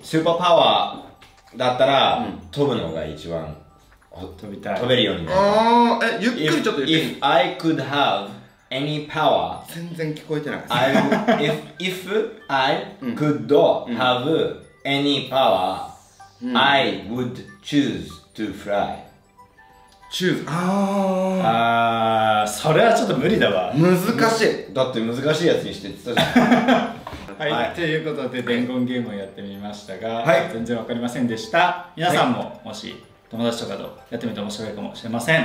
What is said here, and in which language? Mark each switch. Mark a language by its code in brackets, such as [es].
[ja] スーパーパワーだったら、うん、飛ぶのが一番飛びたい、飛べるようになる。あー、え、ゆっくりちょっと言って。 [en] If I could have any power、 [ja] 全然聞こえてない。 [en] If I could have any power、 [ja] うん、 [en] I would choose to fly Choose. [ja] ああ、それはちょっと無理だわ。難しい。だって難しいやつにしてって言ったじゃん。はい、はい、ということで伝言ゲームをやってみましたが、はい、全然わかりませんでした。皆さんも、はい、もし友達とかとやってみて面白いかもしれません。